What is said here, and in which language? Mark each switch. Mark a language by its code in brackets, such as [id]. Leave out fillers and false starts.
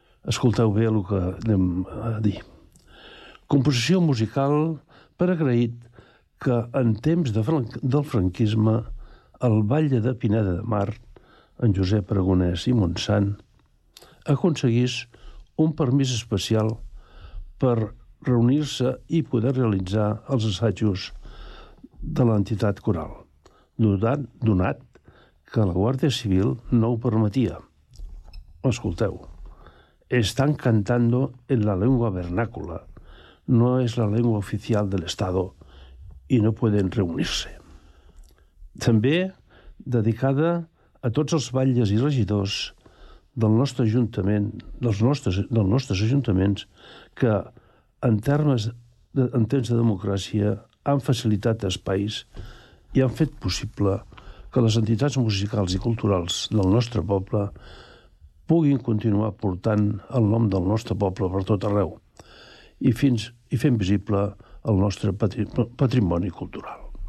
[ca] Escolteu bé el que anem a dir. Composició musical per agraït que en temps del franquisme el Batlle de Pineda de Mar, en Josep Aragonès i Montsant, aconseguís un permís especial per reunir-se i poder realitzar els assajos de l'entitat coral, donat que la Guàrdia Civil no ho permetia. Escolteu. [es] Están cantando en la lengua vernácula. No es la lengua oficial del Estado y no pueden reunirse. [ca] També dedicada a tots els batlles i regidors del nostre ajuntament, dels nostres ajuntaments, que en temps de democràcia han facilitat espais i han fet possible que les entitats musicals i culturals del nostre poble puguin continuar portant el nom del nostre poble per tot arreu i fent visible el nostre patrimoni cultural.